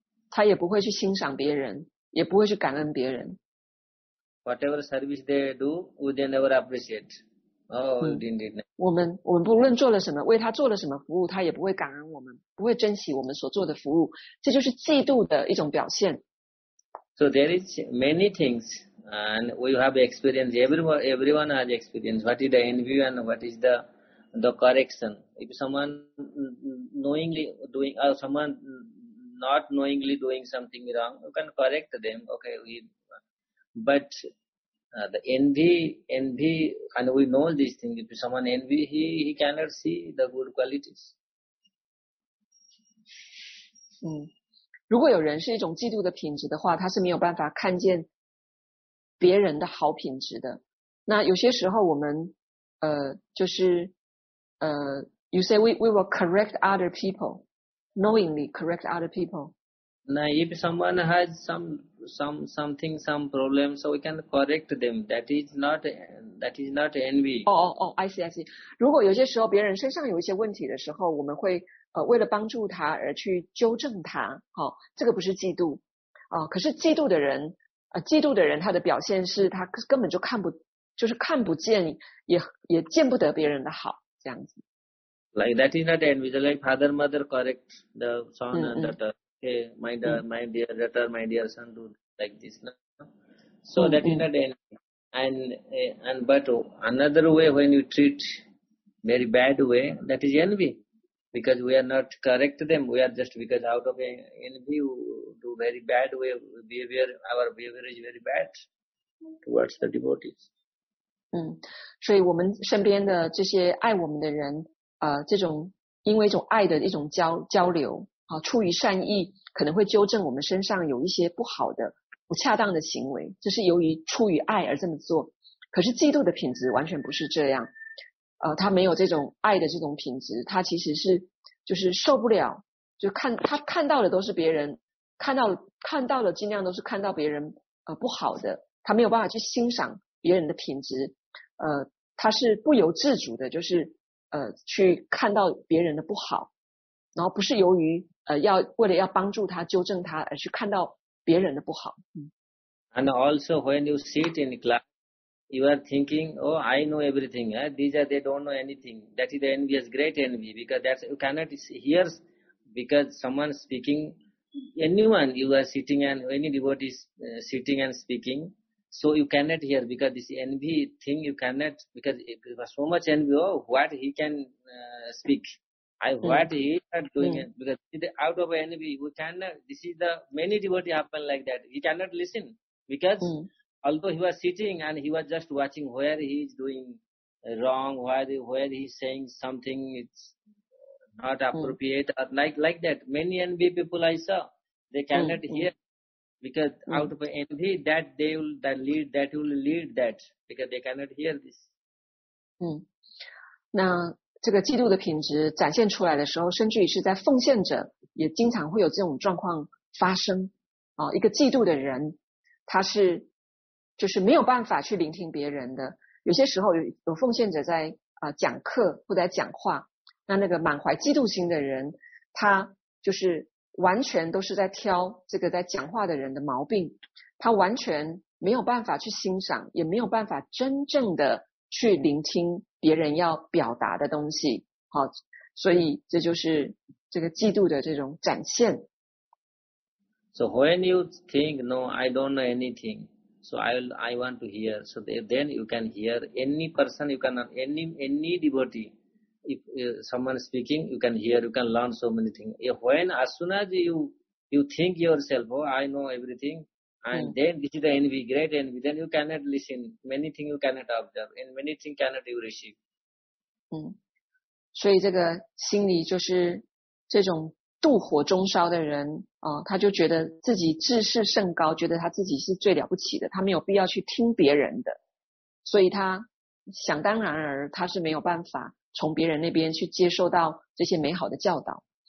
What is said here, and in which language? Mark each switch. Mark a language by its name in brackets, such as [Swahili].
[Chinese] 他也不会去欣赏别人也不会去感恩别人。 [English] Whatever service they do, we never appreciate. Oh, indeed. [Chinese] 我们不论做了什么为他做了什么服务他也不会感恩我们不会珍惜我们所做的服务。这就是嫉妒的一种表现。 [English] So there is many things, and we have experience, everyone has experience. What is the envy and what is the... The correction. If someone knowingly doing, or someone not knowingly doing something wrong, you can correct them. Okay, but the envy, and we know this thing. If someone envy, he cannot see the good qualities. [Chinese] 如果有人是一种嫉妒的品质的话，他是没有办法看见别人的好品质的。那有些时候我们就是。 [English] You say we will correct other people, knowingly correct other people. Now, if someone has something, some problem, so we can correct them. That is not envy. Oh, I see. [Chinese] 如果有些时候别人身上有一些问题的时候，我们会为了帮助他而去纠正他。好，这个不是嫉妒。可是嫉妒的人，嫉妒的人他的表现是他根本就看不，就是看不见，也见不得别人的好。 [English] Like that is not envy. Like father, mother correct the son and daughter. Hey, my dear daughter, my dear son, do like this. No? So that is not envy. And but another way when you treat very bad way, that is envy. Because we are not correct them. We are just because out of envy we do very bad way behavior. Our behavior is very bad towards the devotees. [Chinese] 所以我们身边的这些爱我们的人这种因为一种爱的一种交流出于善意可能会纠正我们身上有一些不好的不恰当的行为，这是由于出于爱而这么做。可是嫉妒的品质完全不是这样，他没有这种爱的这种品质，他其实是就是受不了，就看他看到的都是别人看到了，尽量都是看到别人不好的，他没有办法去欣赏别人的品质，他是不由自主的，就是去看到别人的不好，然后不是由于要为了要帮助他纠正他而去看到别人的不好。 [English] And also when you sit in the class, you are thinking, oh, I know everything. These are they don't know anything. That is the envious, great envy, because that's you cannot hear because someone speaking. Anyone you are sitting and any devotee is sitting and speaking, so you cannot hear because this envy thing you cannot because it was so much envy. Oh, what he can speak. He is doing it because out of envy, we cannot. This is the many devotee happen like that. He cannot listen because although he was sitting and he was just watching where he is doing wrong, where he is saying something it's not appropriate, like that. Many envy people I saw, they cannot hear because out of envy that will lead because they cannot hear this. [Chinese] 这个嫉妒的品质展现出来的时候，甚至于是在奉献者也经常会有这种状况发生。一个嫉妒的人，他是就是没有办法去聆听别人的。有些时候有奉献者在讲课或者在讲话，那个满怀嫉妒心的人，他就是完全都是在挑这个在讲话的人的毛病，他完全没有办法去欣赏，也没有办法真正的去聆听别人要表达的东西，好，所以这就是这个嫉妒的这种展现。 [English] So when you think, no, I don't know anything, so I want to hear. So then you can hear any person, you cannot any devotee. If someone speaking, you can hear, you can learn so many things. When as soon as you think yourself, oh, I know everything. And then this is the envy, great envy. Then you cannot listen. Many things you cannot observe, and many things cannot you receive. [Chinese] 所以这个心里就是这种妒火中烧的人啊，他就觉得自己自视甚高，觉得他自己是最了不起的，他没有必要去听别人的，所以他想当然而他是没有办法从别人那边去接受到这些美好的教导。